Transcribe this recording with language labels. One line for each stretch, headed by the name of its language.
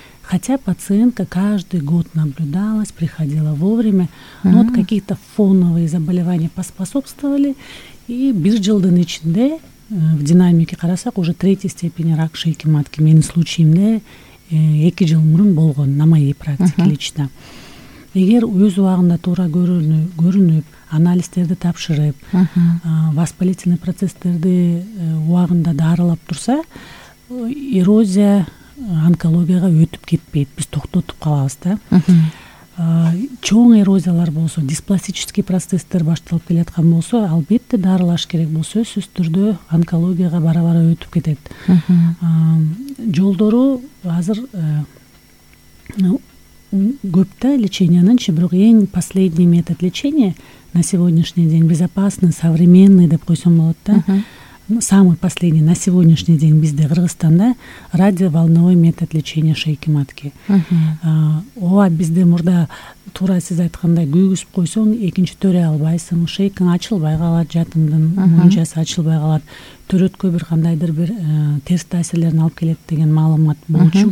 Russian: Хотя пациентка каждый год наблюдалась, приходила вовремя, но вот какие-то фоновые заболевания поспособствовали, и
Kyrgyz: бир жылдын ичинде
Russian: в динамике карасак уже третьей степени рак шейки матки.
Kyrgyz: Менин случаемде 2 жыл мурун болгон
Russian: на моей практике лично.
Kyrgyz: Эгер өз убагында туура көрүнүп, анализдерди тапшырып, воспалительный процесстерди убагында дарылап турса, эрозия онкологияга өтүп кетпейт, биз токтотуп калабыз да. Чоң эрозиялар болсо, дисплазический процесстер башталып келаткан болсо, албетте дарылаш керек, бул сөзсүз түрдө онкологияга бара-бара өтүп кетет. Жолдору азыр көп да лечениянынчы, бирок эң
Russian: последний метод лечения на сегодняшний день безопасный, современный
Kyrgyz: деп койсом болот да.
Russian: Самый последний на сегодняшний день
Kyrgyz: бизде Кыргызстанда
Russian: радиоволновой метод лечения шейки матки.
Kyrgyz: Ооба, бизде мурда туура сиз айткандай күйгүзүп койсоң экинчи төрө албайсың, шейкаң ачылбай калат, жатындын мунчасы ачылбай калат, төрөткө бир кандайдыр бир терс таасирлерин алып келет деген маалымат болчу.